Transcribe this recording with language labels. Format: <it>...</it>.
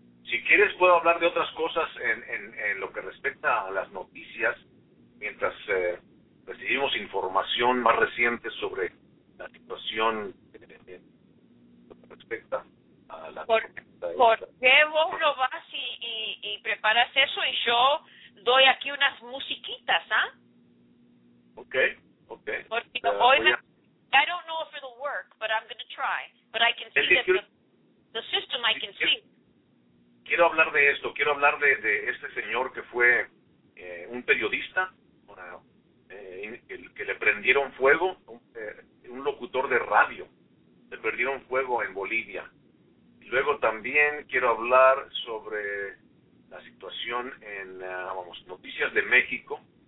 <es>Si quieres, puedo hablar de otras cosas en lo que respecta a las noticias, mientras recibimos información más reciente sobre la situación respecto a la... ¿Por qué vos no vas y preparas eso y yo doy aquí unas musiquitas, ah?</es> <en>Okay.</en> <es>Porque hoy</es> <en>I don't know if it'll work, but I'm going to try. But I can see the system, I can see.</en> <es>Quiero hablar de esto, quiero hablar de este señor que fue un periodista, que le prendieron fuego, un locutor de radio, le prendieron fuego en Bolivia. Y luego también quiero hablar sobre la situación en noticias de México.</es>